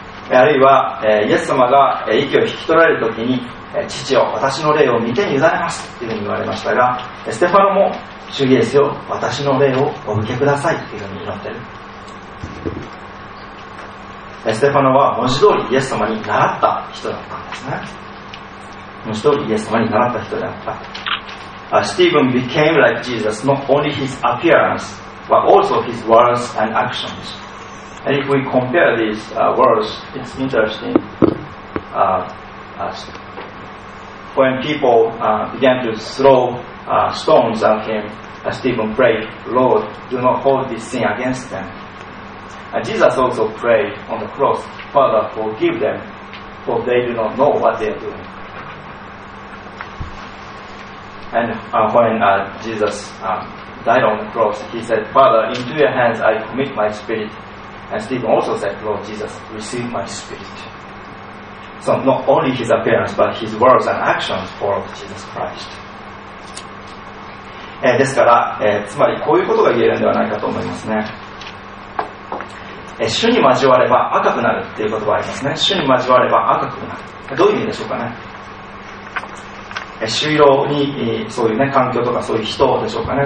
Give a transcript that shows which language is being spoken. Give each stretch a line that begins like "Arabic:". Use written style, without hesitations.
Japanese: あるいはイエス様が息を引き取られるときに、父よ、私の霊を御手に委ねます、というふうに言われましたが、ステファノも、主イエスよ、私の霊をお受けください、というふうに祈っている。ステファノは文字通りイエス様に習った人だったんですね。文字通りイエス様に習った人であった。
English: Stephen became like Jesus, not only his appearance, but also his words and actions. And if we compare these words, it's interesting. When people began to throw stones at him, Stephen prayed, Lord, do not hold this sin against them. Jesus also prayed on the cross, Father, forgive them, for they do not know what they are doing. And when Jesus died on the cross, he said, Father, into your hands I commit my spirit. And Stephen also said, Lord Jesus, receive my spirit. So not only his appearance, but his words and actions followed Jesus Christ.
Japanese: ですから、つまりこういうことが言えるんではないかと思いますね。主に交われば赤くなるっていう言葉がありますね。主に交われば赤くなる。どういう意味でしょうかね。朱色に、そういうね、環境とかそういう人でしょうかね。